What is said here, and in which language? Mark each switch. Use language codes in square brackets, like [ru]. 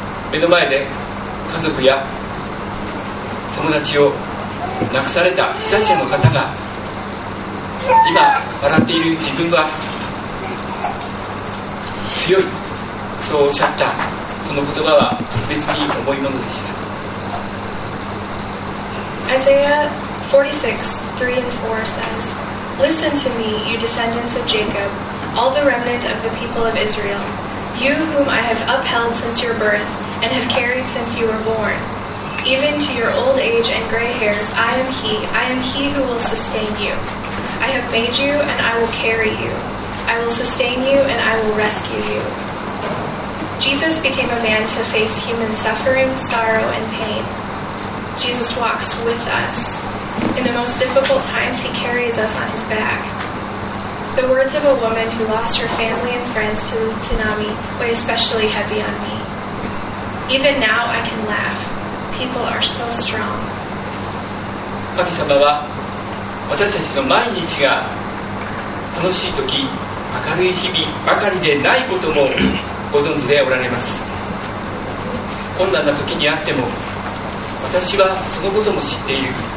[ja] 目の前で家族や友達を亡くされた被災者の方が、今笑っている自分は強い、そうおっしゃった、その言葉は特別に重いものでした。 [en] Isaiah 46:3-4 says, Listen to me, you descendants of Jacob, all the remnant of the people of Israel, you whom I have upheld since your birth and have carried since you were born. Even to your old age and gray hairs, I am he. I am he who will sustain you. I have made you, and I will carry you. I will sustain you, and I will rescue you. Jesus became a man to face human suffering, sorrow, and pain. Jesus walks with us. In the most difficult times, he carries us on his back. The words of a woman who lost her family and friends to the tsunami weigh especially heavy on me. Even now, I can laugh. People are so strong. [ja] 神様は私たちの毎日が楽しい時、明るい日々ばかりでないこともご存知でおられます。困難な時にあっても、私はそのことも知っている。